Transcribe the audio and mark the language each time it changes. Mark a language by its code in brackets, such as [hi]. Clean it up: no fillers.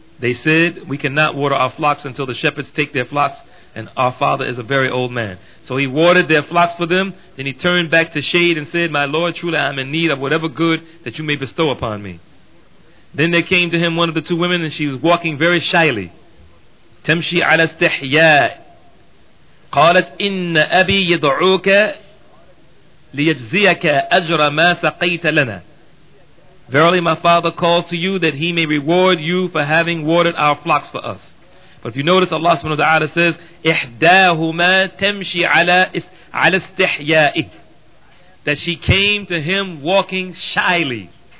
[en] They said, we cannot water our flocks until the shepherds take their flocks, and our father is a very old man. So he watered their flocks for them. Then he turned back to shade and said, my Lord, truly I am in need of whatever good that you may bestow upon me. Then there came to him one of the two women, and she was walking very shyly. [ar] تمشي على استحياء. قالت إن أبي يدعوك ليجزيك أجر ما سقيت لنا. [en] Verily my father calls to you that he may reward you for having watered our flocks for us. But if you notice, Allah subhanahu wa ta'ala says, [ar] إِحْدَاهُمَا تَمْشِي عَلَى اسْتِحْيَائِهِ, [en] that she came to him walking shyly.